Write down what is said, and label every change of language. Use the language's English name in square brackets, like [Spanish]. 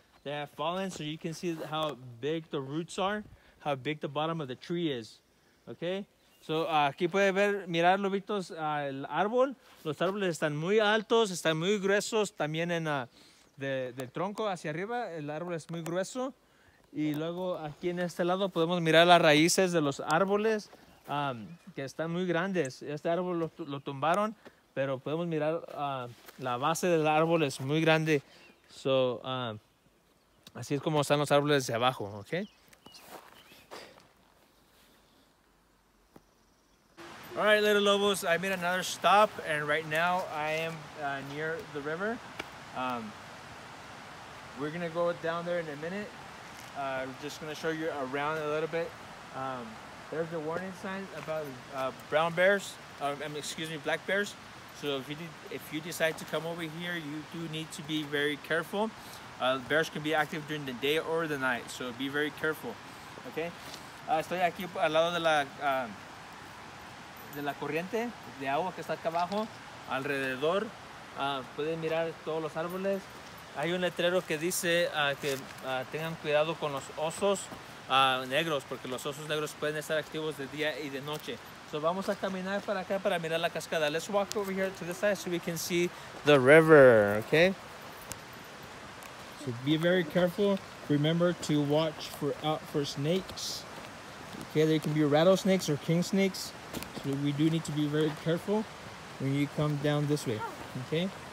[English] They have fallen, so you can see how big the roots are, how big the bottom of the tree is, okay? [Spanish] So, aquí puede ver, mirar, lobitos, el árbol. Los árboles están muy altos, están muy gruesos, también en del tronco hacia arriba, el árbol es muy grueso. Y luego aquí en este lado podemos mirar las raíces de los árboles, que están muy grandes. Este árbol lo tumbaron, pero podemos mirar la base del árbol es muy grande. So, así es como están los árboles de abajo, ¿ok? [English] All right, little lobos, I made another stop, and right now I am near the river. We're gonna go down there in a minute. I'm just gonna show you around a little bit. There's a warning sign about brown bears, black bears. So if you decide to come over here, you do need to be very careful. Bears can be active during the day or the night, so be very careful, okay? [Spanish] Estoy aquí al lado de la corriente de agua que está acá abajo, alrededor. Pueden mirar todos los árboles. Hay un letrero que dice que tengan cuidado con los osos negros, porque los osos negros pueden estar activos de día y de noche. So vamos a caminar para acá para mirar la cascada. [English] Let's walk over here to the side so we can see the river, okay? So be very careful. Remember to watch out for snakes. Okay, they can be rattlesnakes or king snakes. So we do need to be very careful when you come down this way, okay?